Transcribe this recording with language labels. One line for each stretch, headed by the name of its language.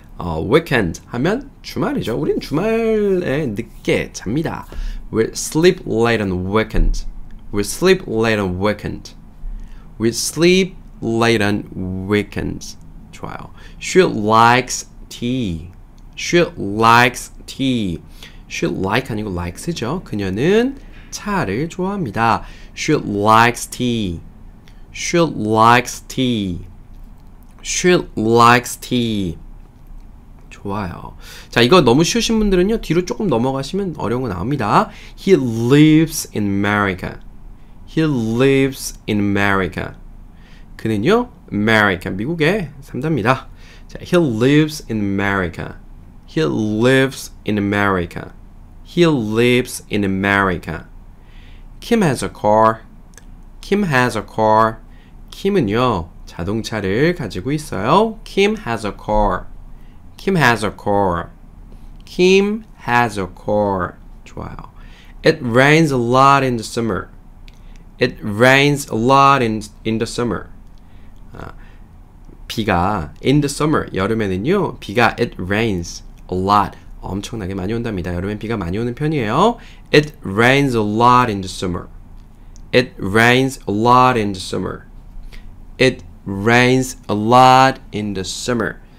Korean: Weekend 하면 주말이죠. 우리는 주말에 늦게 잡니다.
English: We sleep late on weekends. We sleep late on weekends. We sleep late on weekends.
Korean: 좋아요.
English: She likes tea. She likes tea. She like
Korean: 아니고
English: likes죠.
Korean: 그녀는 차를 좋아합니다.
English: She likes tea. She likes tea. She likes tea.
Korean: 좋아요. 자, 이거 너무 쉬우신 분들은요. 뒤로 조금 넘어가시면 어려운 거 나옵니다.
English: He lives in America. He lives in America.
Korean: 그는요.
English: America.
Korean: 미국에 산답니다. 자,
English: he lives in America. He lives in America. He lives in America. Kim has a car. Kim has a car. Kim은요.
Korean: 자동차를 가지고 있어요.
English: Kim has a car. Kim has a car. Kim has a car.
Korean: 좋아요.
English: It rains a lot in the summer. It rains a lot in the summer.
Korean: 비가
English: in the summer
Korean: 여름에는요. 비가
English: it rains a lot.
Korean: 엄청나게 많이 온답니다. 여름엔 비가 많이 오는 편이에요.
English: It rains a lot in the summer. It rains a lot in the summer. It rains a lot in the summer.